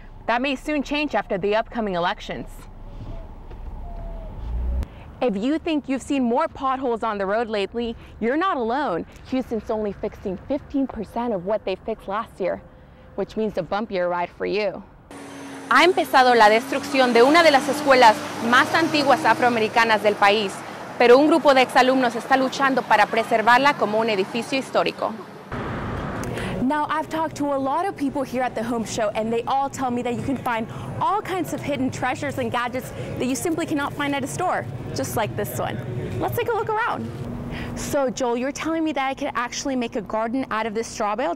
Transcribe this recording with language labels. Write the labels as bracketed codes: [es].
[en] That may soon change after the upcoming elections. If you think you've seen more potholes on the road lately, you're not alone. Houston's only fixing 15% of what they fixed last year, which means a bumpier ride for you. [es] Ha empezado la destrucción de una de las escuelas más antiguas afroamericanas del país, pero un grupo de exalumnos está luchando para preservarla como un edificio histórico. [en] Now, I've talked to a lot of people here at the home show, and they all tell me that you can find all kinds of hidden treasures and gadgets that you simply cannot find at a store, just like this one. Let's take a look around. So, Joel, you're telling me that I could actually make a garden out of this straw bale?